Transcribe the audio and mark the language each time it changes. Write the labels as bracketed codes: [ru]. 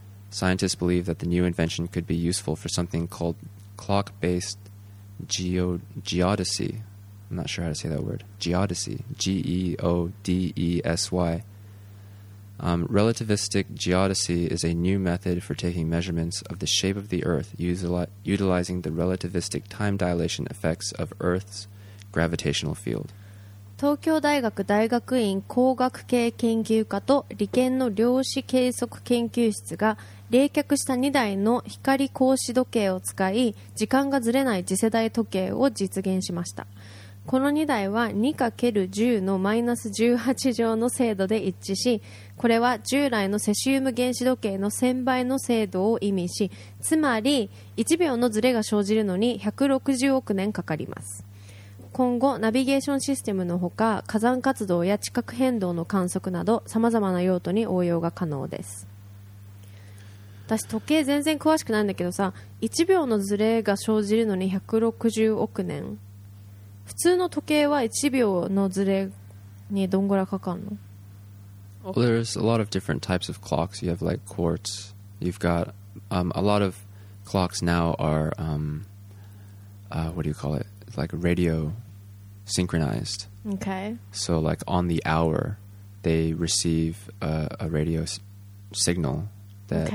[en] Scientists believe that the new invention could be useful for something called clock-based geodesy. I'm not sure how to say that word. Geodesy. G-E-O-D-E-S-Y. Relativistic geodesy is a new method for taking measurements of the shape of the Earth utilizing the relativistic time dilation effects of Earth's gravitational field. [ja] 東京大学大学院光学系研究科と理研の量子計測研究室が冷却した2台の光格子時計を使い、時間がずれない次世代時計を実現しました。この2台は 2×10 のマイナス18乗の精度で一致し、これは従来のセシウム原子時計の1000倍の精度を意味し、つまり1秒のズレが生じるのに160億年かかります。今後ナビゲーションシステムのほか、火山活動や地殻変動の観測などさまざまな用途に応用が可能です。私時計全然詳しくないんだけどさ、1秒のズレが生じるのに160億年、普通の時計は1秒のズレにどんぐらいかかるの？ [en] Well, there's a lot of different types of clocks. You have like quartz. You've got a lot of clocks now are what do you call it? Like radio synchronized. Okay. So like on the hour, they receive a radio signal that、